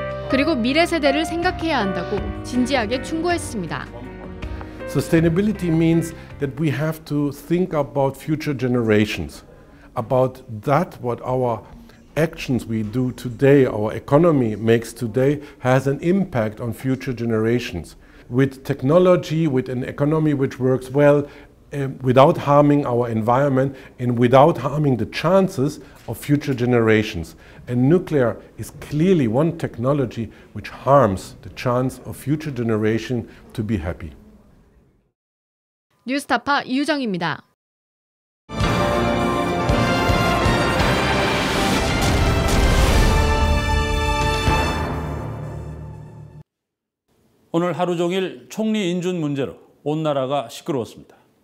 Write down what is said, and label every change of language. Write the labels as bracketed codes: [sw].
[ko] 그리고 미래 세대를 생각해야 한다고 진지하게 충고했습니다. [en] Sustainability means that we have to think about future generations, about that what our actions we do today, our economy makes today, has an impact on future generations. With technology, with an economy which works well, without harming our environment and without harming the chances of future generations. And nuclear is clearly one technology which harms the chance of future generation to be happy. [ko] 뉴스타파 이유정입니다. 오늘 하루 종일 총리 인준 문제로 온 나라가 시끄러웠습니다.